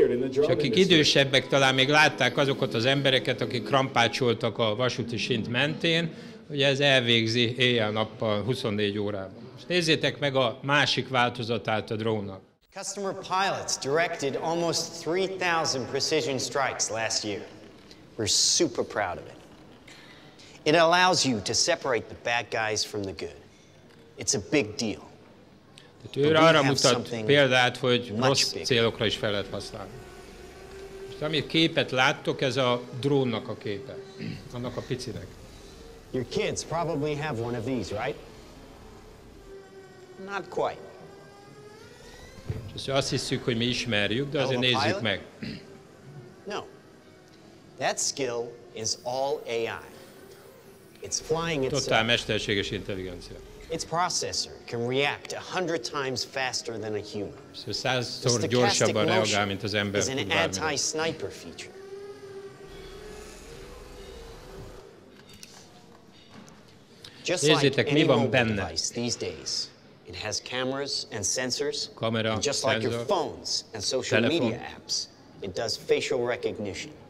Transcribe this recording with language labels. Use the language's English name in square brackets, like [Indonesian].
[Hungarian] És akik idősebbek talán még látták azokat az embereket, akik krampácsoltak a vasúti sint mentén, ugye ez elvégzi éjjel-nappal 24 órában. Most nézzétek meg a másik változatát a drónnak. [English] Customer pilots directed almost 3,000 precision strikes last year. We're super proud of it. It allows you to separate the bad guys from the good. It's a big deal. [Hungarian] Tehát ő arra mutat példát, hogy rossz célokra is fel lehet használni. Most amit képet láttok, ez a drónnak a képe, annak a picinek. [English] Your kids probably have one of these, right? Not quite. [Hungarian] Just azt hiszük, hogy mi ismerjük, de azért nézzük meg. [English] No. That skill is all AI. It's flying itself. [Hungarian] Totál mesterséges intelligencia. [English] Its processor can react 100 times faster than a human. [Hungarian] So százszor gyorsabban reagál, mint az ember. [English] Is an anti-sniper feature. [Hungarian] Nézzétek, mi van benne. [English] It has cameras and sensors. [Hungarian] Kamera, [English] just like your phones and social media apps. It does facial recognition.